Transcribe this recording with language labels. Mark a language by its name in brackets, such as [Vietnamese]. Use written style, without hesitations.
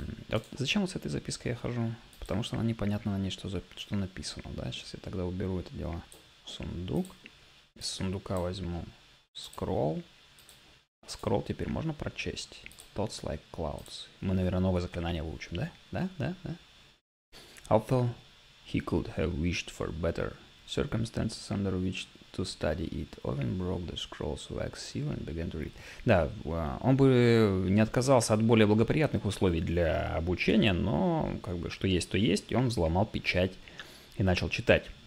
[Russian] А зачем вот с этой запиской я хожу? Потому что она непонятно на ней, что написано, да? Сейчас я тогда уберу это дело. Сундук. Из сундука возьму скролл. Скролл теперь можно прочесть. [English] Thoughts like clouds. [Russian] Мы, наверное, новое заклинание выучим, да? Да? [English] Although he could have wished for better circumstances under which to study it, Owen broke the scroll's wax seal and began to read. [Russian] Да, он бы не отказался от более благоприятных условий для обучения, но как бы что есть, то есть, и он взломал печать и начал читать.